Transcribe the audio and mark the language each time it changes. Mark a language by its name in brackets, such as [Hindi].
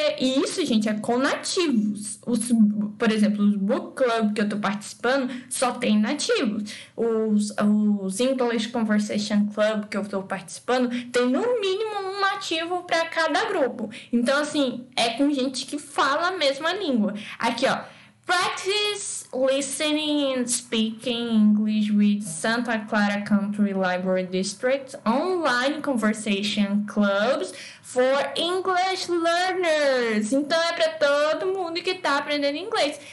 [Portuguese] E isso, gente, é com nativos. Por exemplo, os Book Club que eu tô participando só tem nativos. Os English Conversation Club que eu tô participando tem no mínimo um nativo para cada grupo. Então, assim, é com gente que fala a mesma língua. Aqui, ó. [English] Practice listening and speaking English with Santa Clara Country Library District Online Conversation Clubs for English Learners. [Portuguese] Então, é para todo mundo que está aprendendo inglês.